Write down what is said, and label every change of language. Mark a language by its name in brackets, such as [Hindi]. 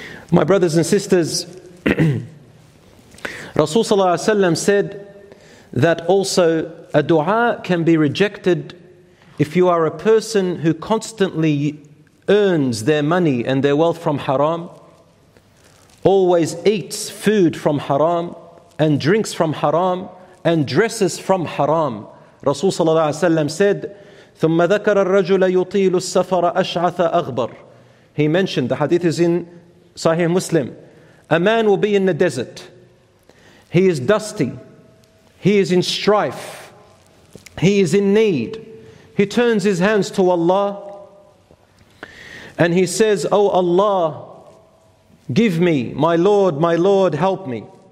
[English] My brothers and sisters, Rasul sallallahu alayhi wa sallam said that also a dua can be rejected if you are a person who constantly earns their money and their wealth from haram, always eats food from haram and drinks from haram and dresses from haram. [Arabic] Rasul sallallahu alayhi wa sallam said, ثُمَّ ذَكَرَ الرَّجُلَ يُطِيلُ السَّفَرَ أَشْعَثَ أَغْبَرُ. [English] He mentioned, the hadith is in Sahih Muslim. A man will be in the desert. He is dusty. He is in strife. He is in need. He turns his hands to Allah. And he says, oh Allah, give me, my Lord, help me.